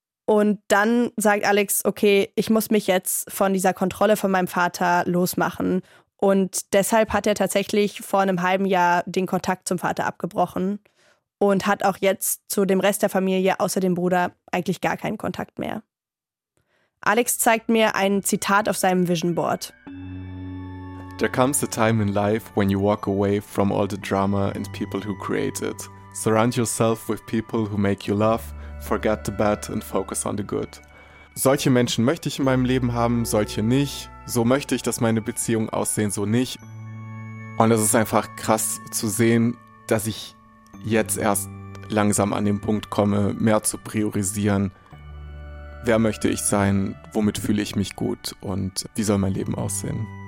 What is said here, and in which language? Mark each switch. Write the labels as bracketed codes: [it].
[de] Und dann sagt Alex, okay, ich muss mich jetzt von dieser Kontrolle von meinem Vater losmachen. Und deshalb hat er tatsächlich vor einem halben Jahr den Kontakt zum Vater abgebrochen und hat auch jetzt zu dem Rest der Familie außer dem Bruder eigentlich gar keinen Kontakt mehr. Alex zeigt mir ein Zitat auf seinem Vision Board. [en] There comes a time in life when you walk away from all the drama and people who create it. Surround yourself with people who make you love. Forget the bad and focus on the good. [de] Solche Menschen möchte ich in meinem Leben haben, solche nicht. So möchte ich, dass meine Beziehungen aussehen, so nicht. Und es ist einfach krass zu sehen, dass ich jetzt erst langsam an den Punkt komme, mehr zu priorisieren. Wer möchte ich sein? Womit fühle ich mich gut? Und wie soll mein Leben aussehen?